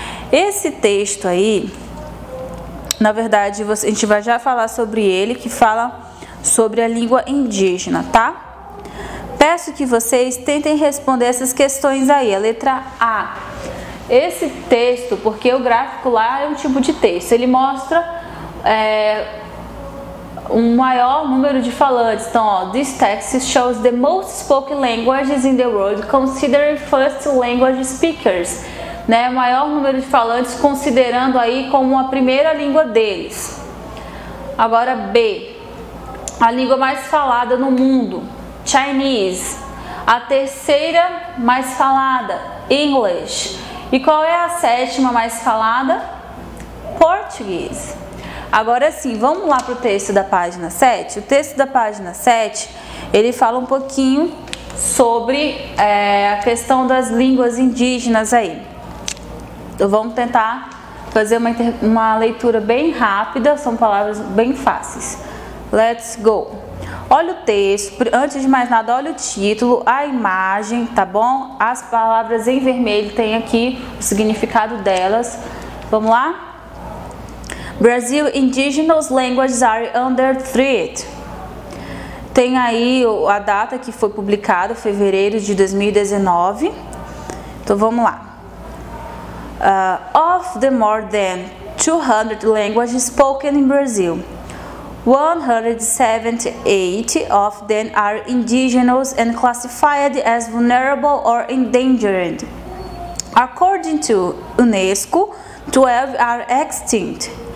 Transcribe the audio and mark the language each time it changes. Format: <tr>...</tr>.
<pt>Esse texto aí, na verdade, a gente vai já falar sobre ele, que fala sobre a língua indígena, tá? Peço que vocês tentem responder essas questões aí, a letra A. Esse texto, porque o gráfico lá é um tipo de texto, ele mostra um maior número de falantes. Então, ó,</pt> <en>this text shows the most spoken languages in the world, considering first language speakers.</en> <pt>Né, maior número de falantes, considerando aí como a primeira língua deles. Agora, B, a língua mais falada no mundo, Chinese. A terceira mais falada, English. E qual é a sétima mais falada? Português. Agora sim, vamos lá para o texto da página 7. O texto da página 7, ele fala um pouquinho sobre a questão das línguas indígenas aí. Então, vamos tentar fazer uma leitura bem rápida, são palavras bem fáceis.</pt> <en>Let's go.</en> <pt>Olha o texto, antes de mais nada, olha o título, a imagem, tá bom? As palavras em vermelho tem aqui o significado delas. Vamos lá?</pt> <en>Brazil Indigenous Languages are under threat.</en> <pt>Tem aí a data que foi publicada, fevereiro de 2019. Então vamos lá.</pt> <en>Of the more than 200 languages spoken in Brazil, 178 of them are indigenous and classified as vulnerable or endangered. According to UNESCO, 12 are extinct.</en>